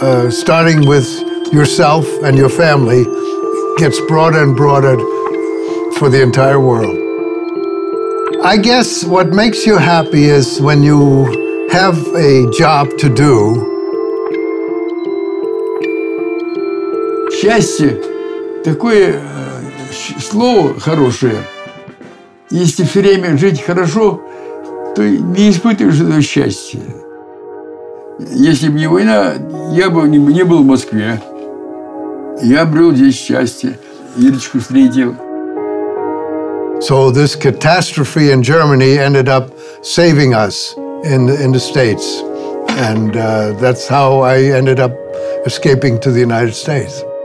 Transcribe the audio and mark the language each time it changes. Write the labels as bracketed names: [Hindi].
[English] Starting with yourself and your family, gets broader and broader for the entire world. I guess what makes you happy is when you have a job to do. [Russian] Счастье такое слово хорошее. Если все время жить хорошо, то не испытываешь этого счастья. Если бы не война, я бы не был в Москве. Я обрел здесь счастье. Ирочку встретил. [English] So this catastrophe in Germany ended up saving us in the States. And that's how I ended up escaping to the United States.